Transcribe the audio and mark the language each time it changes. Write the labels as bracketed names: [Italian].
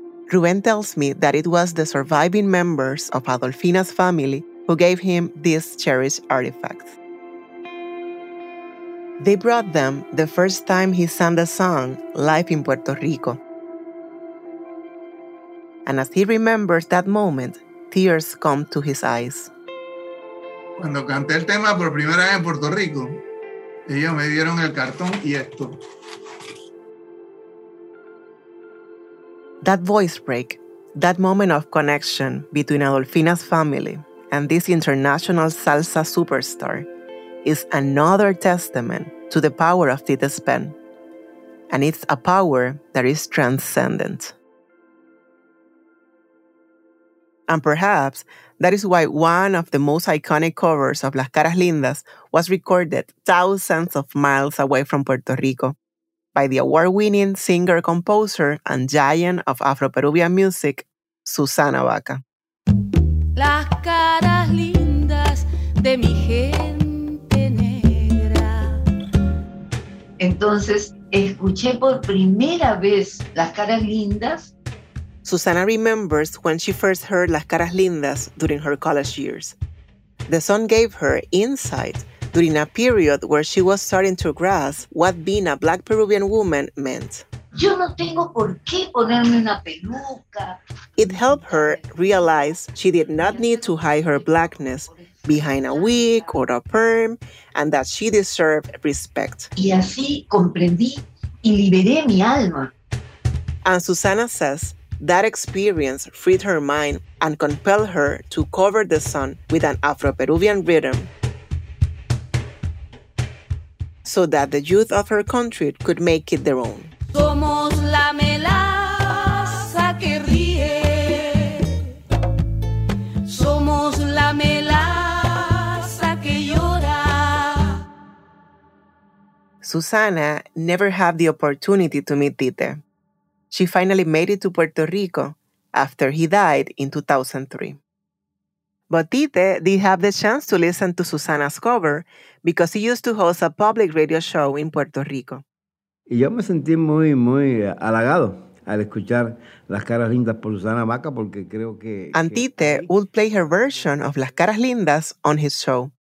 [English] Rubén tells me that it was the surviving members of Adolfina's family who gave him these cherished artifacts. They brought them the first time he sang the song, Life in Puerto Rico. And as he remembers that moment, tears come to his eyes. [Spanish] Cuando canté el tema por primera vez en Puerto Rico, ellos me dieron el cartón y esto. [English] That voice break, that moment of connection between Adolfina's family and this international salsa superstar is another testament to the power of Tita's pen. And it's a power that is transcendent. And perhaps that is why one of the most iconic covers of Las Caras Lindas was recorded thousands of miles away from Puerto Rico by the award-winning singer-composer and giant of Afro-Peruvian music, Susana Vaca. [Spanish] Las caras lindas de mi gente negra. Entonces, escuché por primera vez Las Caras Lindas. [English] Susana remembers when she first heard Las Caras Lindas during her college years. The song gave her insight during a period where she was starting to grasp what being a Black Peruvian woman meant. [Spanish] Yo no tengo por qué ponerme una peluca. [English] It helped her realize she did not need to hide her Blackness behind a wig or a perm, and that she deserved respect. [Spanish] Y así comprendí y liberé mi alma. [English] And Susana says that experience freed her mind and compelled her to cover the song with an Afro-Peruvian rhythm so that the youth of her country could make it their own. [Spanish] Somos la melaza que ríe. Somos la melaza que llora. [English] Susana never had the opportunity to meet Tite. She finally made it to Puerto Rico after he died in 2003. But Tite did have the chance to listen to Susana's cover because he used to host a public radio show in Puerto Rico. [Spanish] Y yo me sentí muy, muy halagado al escuchar Las Caras Lindas por Susana Vaca porque creo que... [English] And Tite would play her version of Las Caras Lindas on his show.